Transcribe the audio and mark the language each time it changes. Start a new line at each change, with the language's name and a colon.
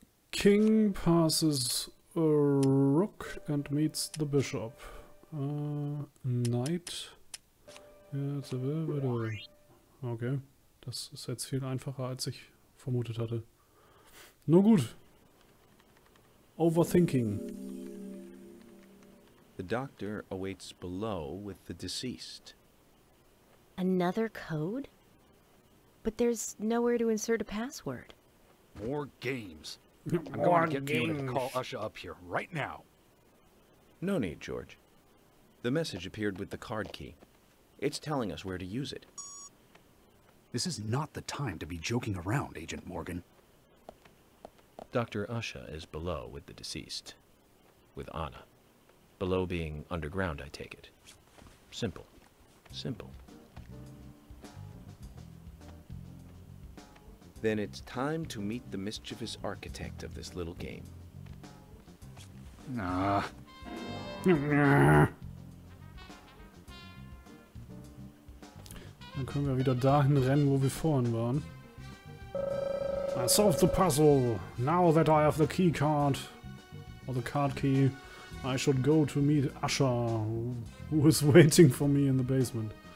English: King passes a rook and meets the bishop. Knight.
German: Okay, das ist jetzt viel einfacher, als ich vermutet hatte.
English: No good. Overthinking. The doctor awaits below with the deceased. Another code? But there's nowhere to insert a password. More games. I'm going to get Fiona to call Usha up here right now. No need, George. The message appeared with the card key. It's telling us where to use it. This is not the time to be joking around, Agent Morgan. Dr. Usha is below with the deceased. With Anna. Below being underground, I take it. Simple. Simple. Then it's time to meet the mischievous architect of this little game. Nah.
German: Dann können wir wieder dahin rennen, wo wir vorhin waren.
English: I solved the puzzle. Now that I have the key card, or the card key, I should go to meet Usher, who is waiting for me in the basement.